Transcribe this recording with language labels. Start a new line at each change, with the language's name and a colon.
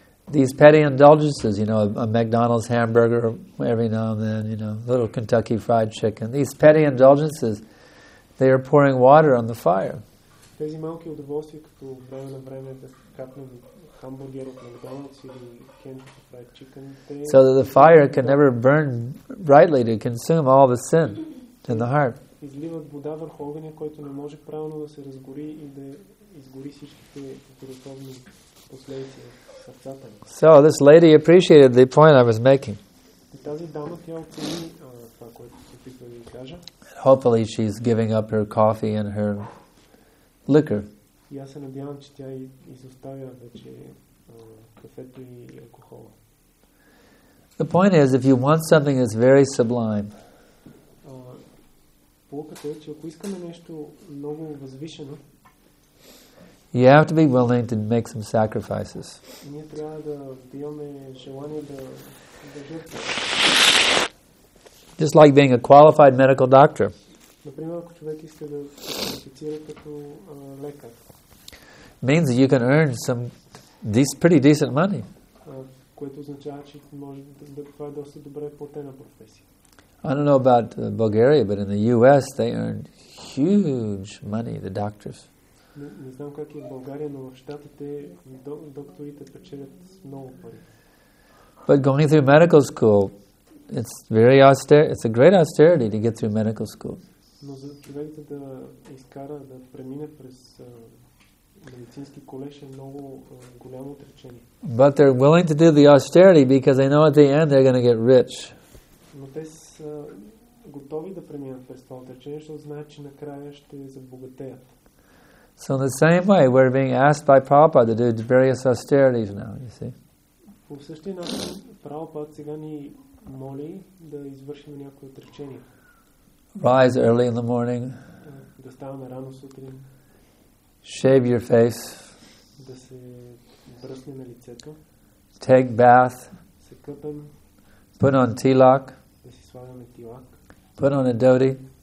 English: These petty indulgences, you know, a McDonald's hamburger every now and then, you know, a little Kentucky fried chicken. These petty indulgences, they are pouring water on the fire.
Bulgarian: Тези малки удоволствия, като време на време да капнем хамбургер от Макдоналдс или кентъки фрайд чикън,
English: so that the fire can never burn brightly to consume all the sin in the heart.
Bulgarian: Изливат вода върху огъня, който не може правилно да се разгори и да изгори всичките духовни последици в сърцата ни.
English: So this lady appreciated the point I was making.
Bulgarian: И тази дама, тя оцени това, което се опитва да кажа.
English: Hopefully she's giving up her coffee and her liquor.
Bulgarian: Я се надявам, че тя изоставя вече кафето и алкохола.
English: The point is, if you want something that's very sublime,
Bulgarian: полката е, че ако искаме нещо много възвишено,
English: you have to be willing to make some sacrifices.
Bulgarian: Ние трябва да имаме желание да жертваме.
English: Just like being a qualified medical doctor.
Bulgarian: Например, ако човек иска да се квалифицира като лекар,
English: means that you can earn some these pretty decent money.
Bulgarian: Което означава, че може да това е доста добре платена професия.
English: I don't know about Bulgaria, but in the US they earn huge money, the doctors.
Bulgarian: Не знам как е в България, но в щатите докторите печелят много пари.
English: But going through medical school, it's very austere, it's a great austerity to get through medical school.
Bulgarian: Но за човека да изкара да премине през медицински колеж е много голямо отречение.
English: But they're willing to do the austerity because they know at the end they're going to get rich.
Bulgarian: Но те са готови да преминат през това отречение, защото знаят, че накрая ще забогатеят.
English: So in the same way we're being asked by Prabhupada to do various austerities now, you see.
Bulgarian: По същия начин Прабхупад сега ни моли да извършим някои отречения.
English: Rise early in the morning.
Bulgarian: Да ставаме рано сутрин.
English: Shave your face.
Bulgarian: Да се бръсне на лицето.
English: Take bath.
Bulgarian: Се къпем.
English: Put on tilak.
Bulgarian: Да си слагаме тилак.
English: Put on a dhoti.